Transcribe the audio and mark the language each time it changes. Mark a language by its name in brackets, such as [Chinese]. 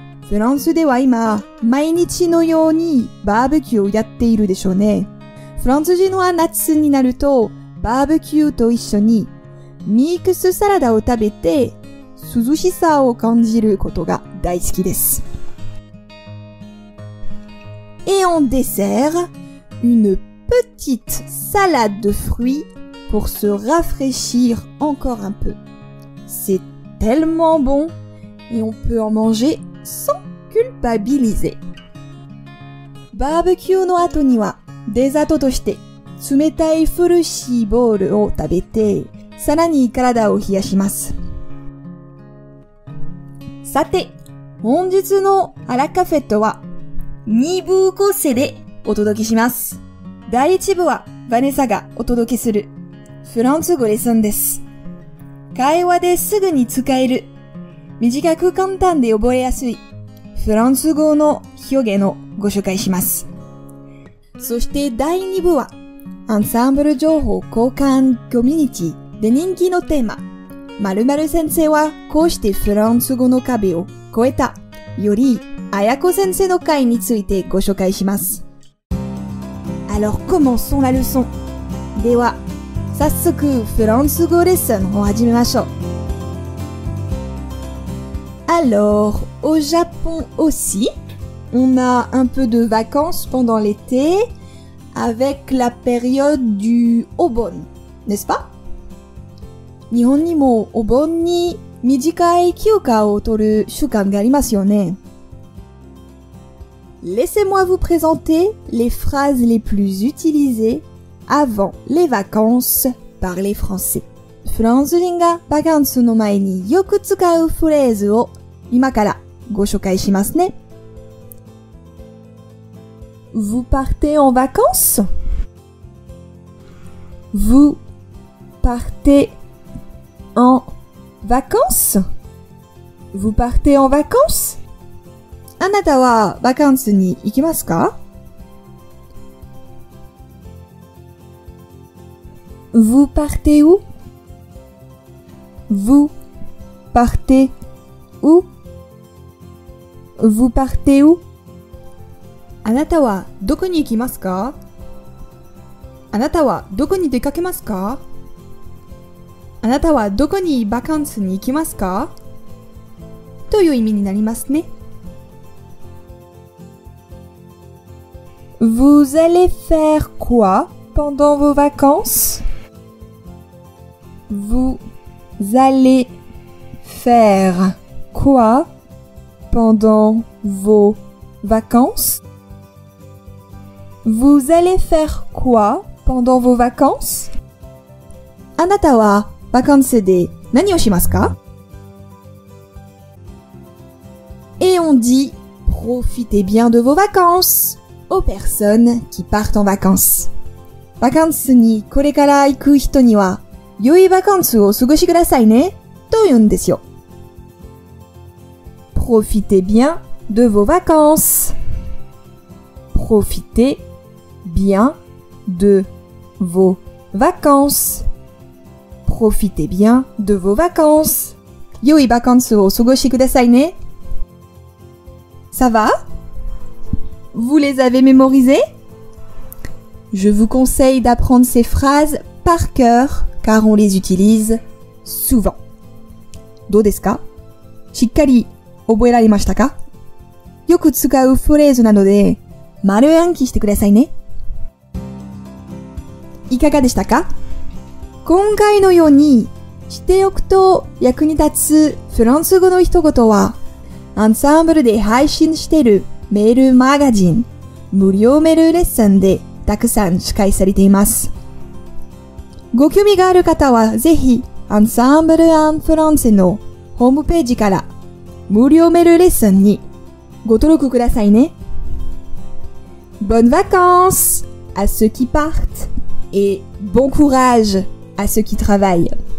[Japanese] フランスでは今、毎日のようにバーベキューをやっているでしょうね。フランス人は夏になると、バーベキューと一緒にミックスサラダを食べて、涼しさを感じることが大好きです。 [French] Et en dessert, une petite salade de fruits pour se rafraîchir encore un peu. C'est tellement bon et on peut en manger sans culpabiliser. [Japanese] バーベキューの後にはデザートとして冷たいフルーシーボールを食べてさらに体を冷やします。さて本日のアラカフェットは2部構成でお届けします。第1部はバネッサがお届けするフランス語レッスンです。会話ですぐに使える、短く簡単で覚えやすい、フランス語の表現をご紹介します。そして第2部は、アンサンブル情報交換コミュニティで人気のテーマ、〇〇先生はこうしてフランス語の壁を越えた、より綾子先生の回についてご紹介します。 [French] Alors commençons la leçon。 [Japanese] では、早速フランス語レッスンを始めましょう。 [French] Alors, au Japon aussi, on a un peu de vacances pendant l'été avec la période du Obon, n'est-ce pas? [Japanese] 日本にもお盆に短い休暇を取る習慣がありますよね。 [French] Laissez-moi vous présenter les phrases les plus utilisées avant les vacances par les Français. [Japanese] フランス人がバカンスの前によく使うフレーズを今からご紹介しますね。 [French] Vous partez en vacances? Vous partez en vacances? Vous partez en vacances? [Japanese] あなたはバカンスに行きますか? [French] Vous partez où? Vous partez où? Vous partez où? [Japanese] あなたはどこに行きますか?あなたはどこに出かけますか? あなたはどこにバカンスに行きますか?という意味になりますね。 [French] Vous allez faire quoi pendant vos vacances? Vous allez faire quoi? Pendant vos vacances? Vous allez faire quoi pendant vos vacances? [Japanese] あなたは vacances で何をしますか? [French] Et on dit profitez bien de vos vacances aux personnes qui partent en vacances. [Japanese] Vacances にこれから行く人には良い vacances を過ごしくださいねと言うんですよ。 [French] Profitez bien de vos vacances. Profitez bien de vos vacances. Profitez bien de vos vacances. [Japanese] Yoi vacances o sugoshi kudasai ne. [French] Ça va? Vous les avez mémorisées? Je vous conseille d'apprendre ces phrases par cœur car on les utilise souvent. [Japanese] Do desu ka? Shikkari. 覚えられましたか? よく使うフレーズなので、丸暗記してくださいね。いかがでしたか?今回のように、知っておくと役に立つフランス語の一言は、アンサンブルで配信しているメールマガジン、無料メールレッスンでたくさん紹介されています。ご興味がある方は、ぜひ、アンサンブル・アン・フランセのホームページから、無料メールレッスンにご登録くださいね。 [French] Bonnes vacances à ceux qui partent et bon courage à ceux qui travaillent.